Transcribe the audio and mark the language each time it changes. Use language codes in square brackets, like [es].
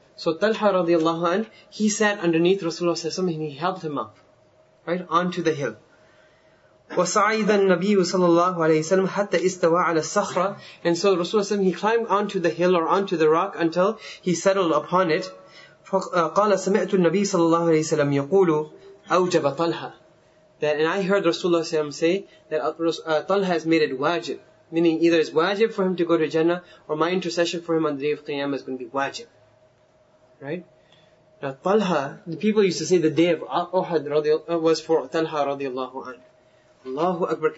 [en] So Talha radiallahu anhu, he sat underneath Rasulullah sallallahu alayhi wa sallam and he helped him up. Right? Onto the hill. [ar] وَصَعِدَ النَّبِيُّ صَلَّى اللَّهُ عَلَيْهِ وَسَلَّمُ حَتَّى إِسْتَوَى عَلَى الصَّخْرَةِ. [en] And so Rasulullah sallallahu alayhi wa sallam, he climbed onto the hill or onto the rock until he settled upon it. [ar] قال سمعت النبي صلى الله عليه وسلم يقول أوجب طلحة. [en] And I heard Rasulullah صلى الله عليه وسلم say that طلحة has made it wajib, meaning either it's wajib for him to go to Jannah or my intercession for him on the day of Qiyamah is going to be wajib. Right? Now طلحة, the people used to say the day of Uhud was for طلحة رضي الله عنه. Allahu Akbar.